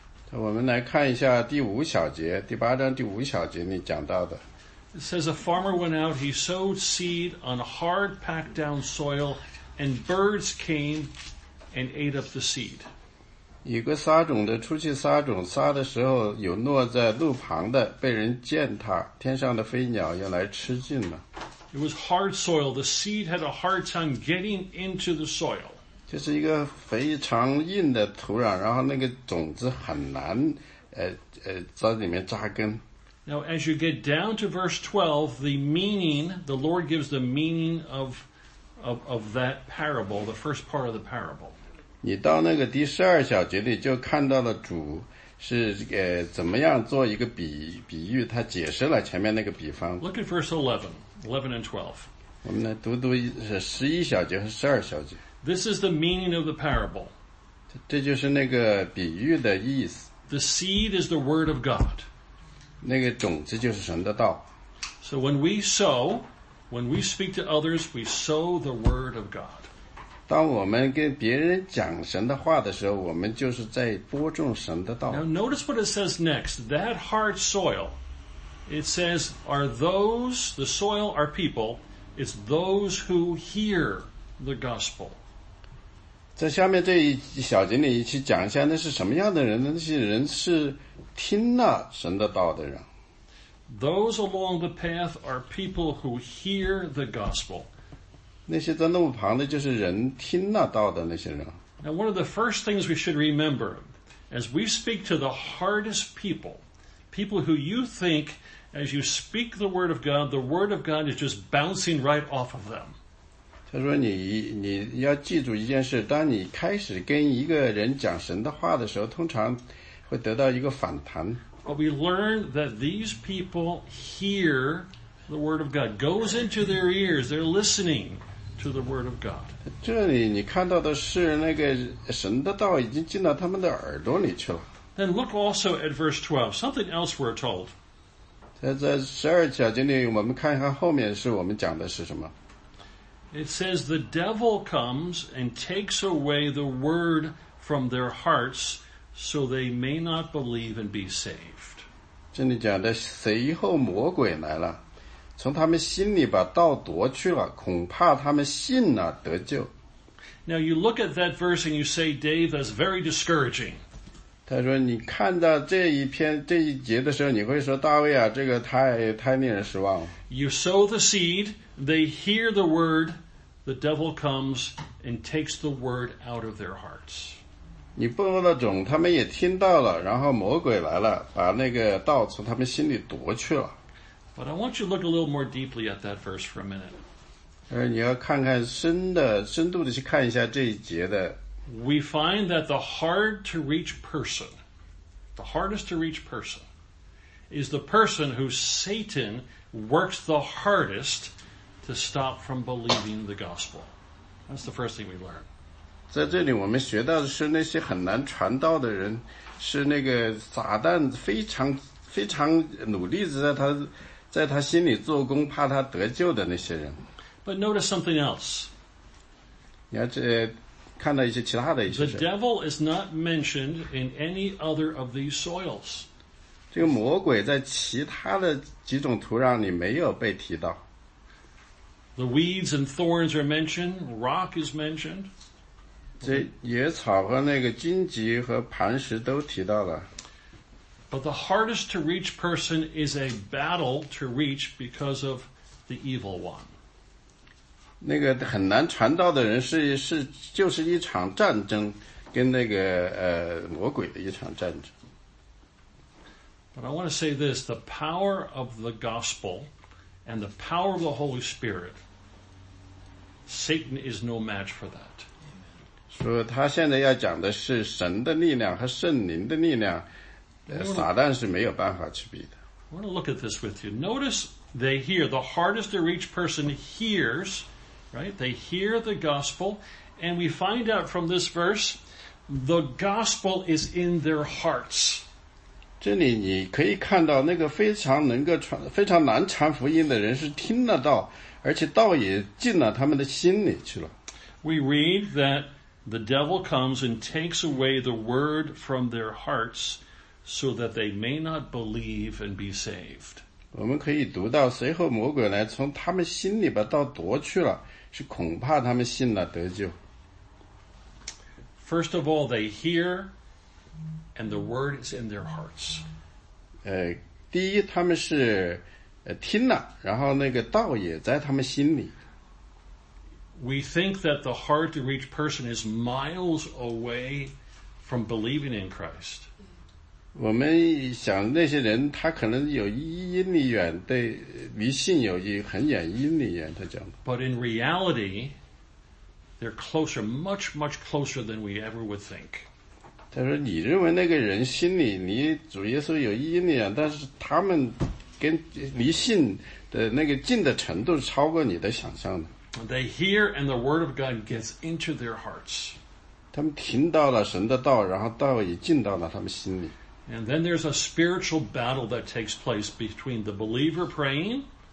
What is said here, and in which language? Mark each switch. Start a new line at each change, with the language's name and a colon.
Chinese: 我们来看一下第五小节，第八章第五小节你讲到的。
English: It says, a farmer went out, he sowed seed on hard packed down soil, and birds came and ate up the seed.
Chinese: 一个撒种的出去撒种，撒的时候有落在路旁的，被人践踏，天上的飞鸟又来吃尽了。
English: It was hard soil. The seed had a hard time getting into the soil.
Chinese: 就是一个非常硬的土壤，然后那个种子很难在里面扎根。
English: Now, as you get down to verse 12, the meaning, the Lord gives the meaning of that parable, the first part of the parable.
Chinese: 你到那个第十二小节里就看到了主是怎么样做一个比喻，他解释了前面那个比方。
English: Look at verse 11 and 12.
Chinese: 我们来读读十一小节和十二小节。
English: This is the meaning of the parable.
Chinese: 这就是那个比喻的意思。
English: The seed is the word of God.
Chinese: 那个种子就是神的道。
English: So when we sow, when we speak to others, we sow the word of God.
Chinese: 当我们跟别人讲神的话的时候，我们就是在播种神的道。
English: Now notice what it says next. That hard soil, it says, are those, the soil are people, it's those who hear the gospel.
Chinese: 在下面这一小节里去讲一下，那是什么样的人呢？那些人是听了神的道的人。
English: Those along the path are people who hear the gospel.
Chinese: 那些在路旁的就是人听了道的那些人。
English: Now one of the first things we should remember, as we speak to the hardest people, people who you think, as you speak the word of God is just bouncing right off of them.
Chinese: 他说你要记住一件事，当你开始跟一个人讲神的话的时候，通常会得到一个反弹。
English: We learn that these people hear the word of God. Goes into their ears. They're listening to the word of God.
Chinese: 这里你看到的是那个神的道已经进到他们的耳朵里去了。
English: Then look also at verse 12. Something else we're told.
Chinese: 在十二小节里我们看一下后面是我们讲的是什么。
English: It says the devil comes and takes away the word from their hearts so they may not believe and be saved.
Chinese: 这里讲的随后魔鬼来了，从他们心里把道夺去了，恐怕他们信了得救。
English: Now you look at that verse and you say, Dave, that's very discouraging.
Chinese: 他说你看到这一篇这一节的时候，你会说大卫啊，这个太令人失望了。
English: You sow the seed. They hear the word, the devil comes and takes the word out of their hearts.
Chinese: 你播了种，他们也听到了，然后魔鬼来了，把那个道从他们心里夺去了。
English: But I want you to look a little more deeply at that verse for a minute.
Chinese: 你要看看深度的去看一下这一节的。
English: We find that the hard to reach person, the hardest to reach person, is the person who Satan works the hardest. To stop from believing the gospel. That's the first thing we learn.
Chinese: 在这里我们学到的是那些很难传道的人，是那个撒旦非常非常努力在他心里做工，怕他得救的那些人。
English: But notice something else.
Chinese: 你要看到一些其他的一些事。
English: The devil is not mentioned in any other of these soils.
Chinese: 这个魔鬼在其他的几种土壤里没有被提到。
English: The weeds and thorns are mentioned. Rock is mentioned.
Chinese: 这野草和那个荆棘和磐石都提到了。
English: But the hardest to reach person is a battle to reach because of the evil one.
Chinese: 那个很难传道的人是就是一场战争，跟那个魔鬼的一场战争。
English: But I want to say this, the power of the gospel... And the power of the Holy Spirit, Satan is no match for that.
Chinese: 说他现在要讲的是神的力量和圣灵的力量，撒旦是没有办法去比的。
English: I want to look at this with you. Notice they hear, the hardest to reach person hears, right? They hear the gospel, and we find out from this verse, the gospel is in their hearts.
Chinese: 这里你可以看到那个非常能够传非常难传福音的人是听了道而且道也进了他们的心里去了。
English: We read that the devil comes and takes away the word from their hearts so that they may not believe and be saved.
Chinese: 我们可以读到随后魔鬼来从他们心里把道夺去了是恐怕他们信了得救。
English: First of all, they hear, and the word is in their hearts.
Chinese: 第一他们是听了然后那个道也在他们心里。
English: We think that the hard to reach person is miles away from believing in Christ.
Chinese: 我们想那些人他可能有一英里远对离信有一很远一英里远他讲。
English: But in reality, they're closer, much, much closer than we ever would think.
Chinese: 他说你认为那个人心里离主耶稣有一英里远但是他们跟离信的那个近的程度超过你的想象的。
English: They hear and the word of God gets into their hearts.
Chinese: 他们听到了神的道然后道也进到了他们心里。
English: And then there's a spiritual battle that takes place between the believer praying.